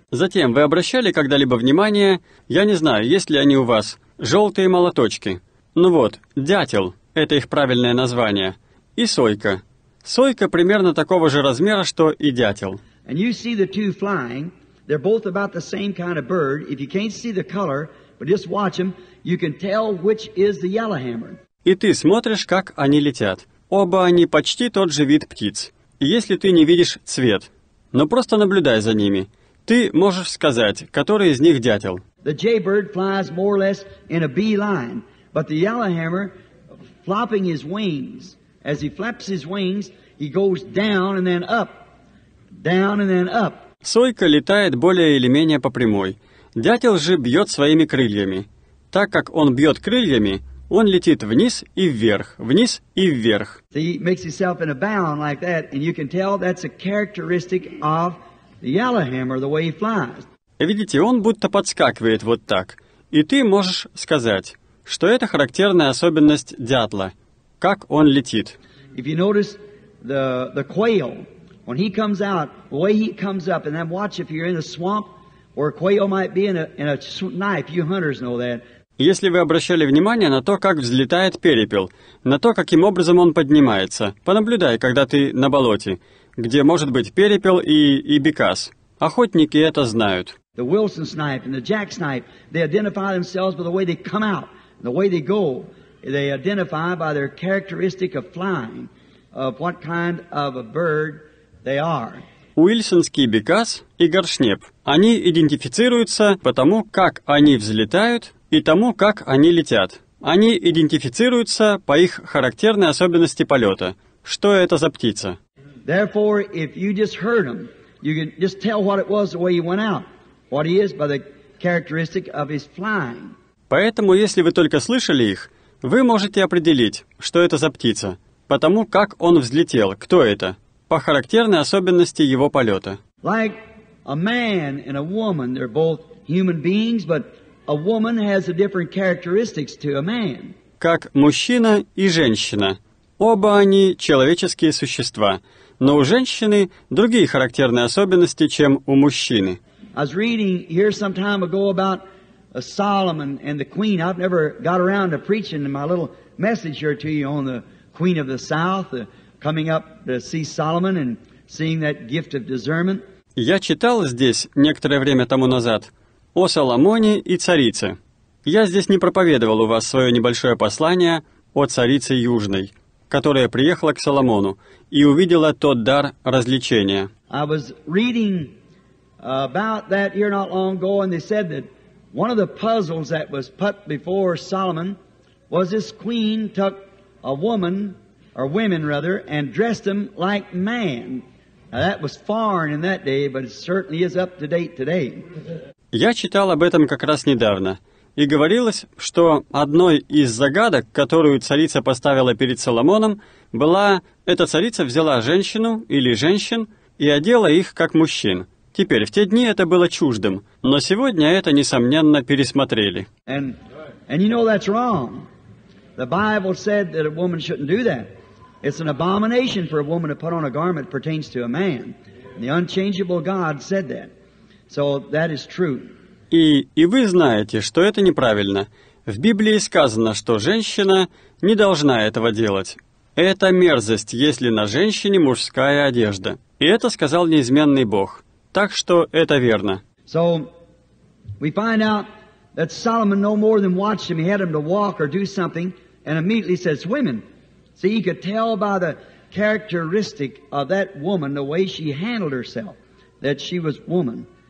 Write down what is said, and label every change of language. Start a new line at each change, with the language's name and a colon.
Russian: Затем, вы обращали когда-либо внимание, я не знаю, есть ли они у вас, желтые молоточки. Ну вот, дятел, это их правильное название. И сойка. Сойка примерно такого же размера, что и дятел.
English: And you see the two flying. They're both about the same kind of bird. If you can't see the color, but just watch them, you can tell which is the yellowhammer.
Russian: И ты смотришь, как они летят. Оба они почти тот же вид птиц. Если ты не видишь цвет, но просто наблюдай за ними, Ты можешь сказать, который из них дятел?
English: The jaybird flies more or less in a bee line, but the yellowhammer, flopping his wings, as he flaps his wings, he goes down and then up, down and then up.
Russian: Сойка летает более или менее по прямой. Дятел же бьет своими крыльями. Так как он бьет крыльями, он летит вниз и вверх, вниз и вверх.
English: He makes himself in a bound like that, and you can tell that's a characteristic of the yellowhammer, the way he flies.
Russian: Видите, он будто подскакивает вот так. И ты можешь сказать, что это характерная особенность дятла, как он летит.
English: If you notice the quail, when he comes out, the way he comes up, and then watch if you're in a swamp, where a quail might be in a knife, you hunters know that.
Russian: Если вы обращали внимание на то, как взлетает перепел, на то, каким образом он поднимается, понаблюдай, когда ты на болоте, где может быть перепел и бекас. Охотники это знают.
English: The Wilson snipe and the Jack snipe, they identify themselves by the way they come out, the way they go. They identify by their characteristic of flying, of what kind of a bird they are.
Russian: Уильсонский бекас и горшнеп, они идентифицируются по тому, как они взлетают, и тому, как они летят. Они идентифицируются по их характерной особенности полета. Что это за птица?
English: Therefore, if you just heard him, you can just tell what it was the way he went out, what he is by the characteristic of his flying.
Russian: Поэтому, если вы только слышали их, вы можете определить, что это за птица, по тому, как он взлетел, кто это, по характерной особенности его полета.
English: Like a man and a woman, they're both human beings, but a woman has a different characteristics to a man.
Russian: Как мужчина и женщина. Оба они человеческие существа, но у женщины другие характерные особенности, чем у мужчины.
English: I was reading here some time ago about Solomon and the Queen. I've never got around to preaching my little message here to you on the Queen of the South, coming up to see Solomon and seeing that gift of discernment.
Russian: Я читал здесь некоторое время тому назад о Соломоне и царице. Я здесь не проповедовал у вас свое небольшое послание о царице Южной, которая приехала к Соломону и увидела тот дар развлечения.
English: I was reading about that here not long ago, and they said that one of the puzzles that was put before Solomon was this queen took a woman, or women rather, and dressed them like man. Now that was foreign in that day, but it certainly is up to date today.
Russian: Я читал об этом как раз недавно, и говорилось, что одной из загадок, которую царица поставила перед Соломоном, была, эта царица взяла женщину или женщин и одела их как мужчин. Теперь, в те дни это было чуждым, но сегодня это, несомненно, пересмотрели.
English: And you know that's wrong. The Bible said that a woman shouldn't do that. It's an abomination for a woman to put on a garment that pertains to a man. The unchangeable God said that. So that is true.
Russian: И вы знаете, что это неправильно. В Библии сказано, что женщина не должна этого делать. Это мерзость, если на женщине мужская одежда. И это сказал неизменный Бог. Так что это верно.
English: So we find out that Solomon no more than watched him. He had him to walk or do something, and immediately says, "Women." See, he could tell by the characteristic of that woman, the way she handled herself, that she was woman.